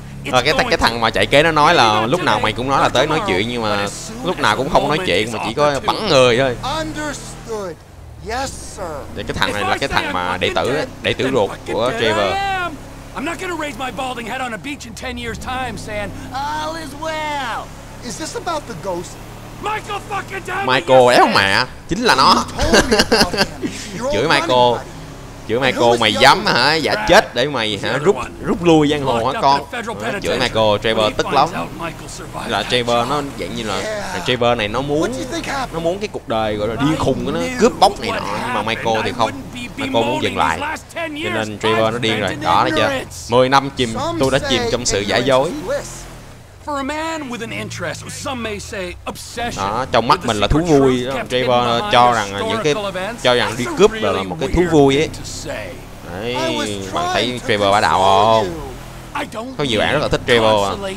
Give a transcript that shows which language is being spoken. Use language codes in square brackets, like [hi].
[vi] À, cái thằng mà chạy kế nó nói là lúc nào mày cũng nói là tới nói chuyện, nhưng mà lúc nào cũng không nói chuyện mà chỉ có bắn người thôi. Vậy cái thằng này là cái thằng mà đệ tử ruột của Trevor. [en] I'm not gonna raise my balding head on a beach in 10 years time saying all is well. Is this about the ghost? Michael fucking damn it. [vi] Michael éo mẹ, chính là nó. Chửi Michael, mày dám hả? Giả chết để mày hả rút lui giang hồ hả con? Chửi Michael, Trevor tức lắm. Là Trevor nó dạng như là Trevor này nó muốn cái cuộc đời gọi là điên khùng của nó, cướp bóc này nọ, nhưng mà Michael thì không. Michael muốn dừng lại. Cho nên Trevor nó điên rồi. Đó thấy chưa? 10 năm tôi đã chìm trong sự giả dối. [en] For a man with an interest, some may say obsession. [vi] Đó, trong mắt mình là thú vui đó. Trevor cho rằng những cái cho rằng đi cướp là một cái thú vui ấy. Đấy, bạn thấy Trevor bá đạo không? Có nhiều bạn rất là thích Trevor à.